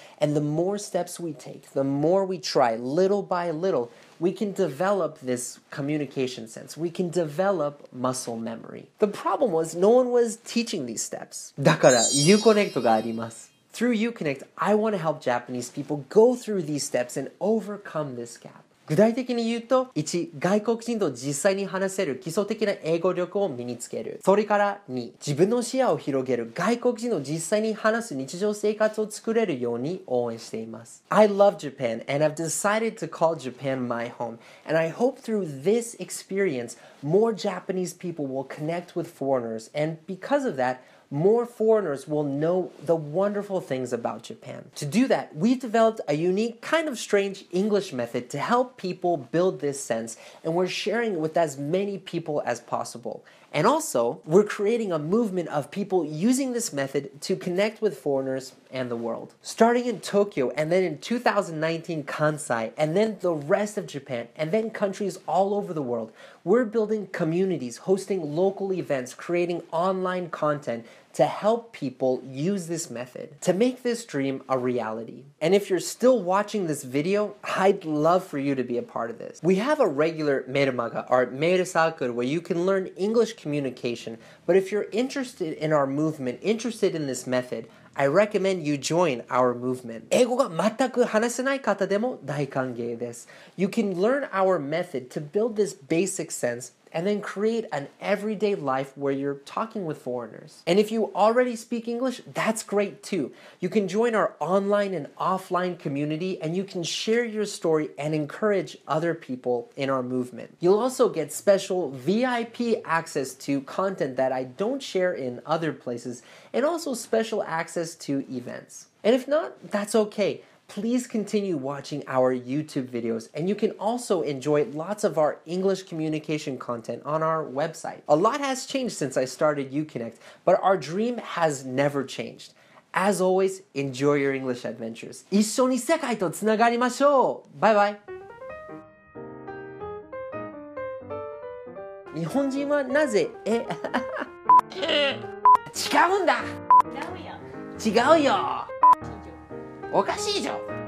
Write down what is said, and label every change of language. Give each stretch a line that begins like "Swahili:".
English: And the more steps we take, the more we try little by little, we can develop this communication sense. We can develop muscle memory. The problem was no one was teaching these steps.
Japanese: だから IU-Connectがあります。
English: Through IU-Connect, I want to help Japanese people go through these steps and overcome this gap.
Japanese: 具体的に言うと、1、外国人と実際に話せる基礎的な英語力を身につける。それから2、自分の視野を広げる外国人と実際に話す日常生活を作れるように応援しています。
English: I love Japan and I've decided to call Japan my home. And I hope through this experience, more Japanese people will connect with foreigners. And because of that,More foreigners will know the wonderful things about Japan. To do that, we've developed a unique, kind of strange English method to help people build this sense, and we're sharing it with as many people as possible. And also, we're creating a movement of people using this method to connect with foreigners and the world. Starting in Tokyo, and then in 2019, Kansai, and then the rest of Japan, and then countries all over the world, we're building communities, hosting local events, creating online content to help people use this method, to make this dream a reality. And if you're still watching this video, I'd love for you to be a part of this. We have a regular Merumaga, or Merusakur, where you can learn English communication, but if you're interested in our movement, interested in this method,I recommend you join our movement.
Japanese: 英語が全く話せない方でも大歓迎です。
English: You can learn our method to build this basic sense and then create an everyday life where you're talking with foreigners. And if you already speak English, that's great too. You can join our online and offline community and you can share your story and encourage other people in our movement. You'll also get special VIP access to content that I don't share in other places. And also special access to events. And if not, that's okay. Please continue watching our YouTube videos. And you can also enjoy lots of our English communication content on our website. A lot has changed since I started IU-Connect, but our dream has never changed. As always, enjoy your English adventures.
Japanese: 一緒に世界とつながりましょう。バイバイ。日本人はなぜ、違うんだ。違うよ。違うよ。おかしいじゃん。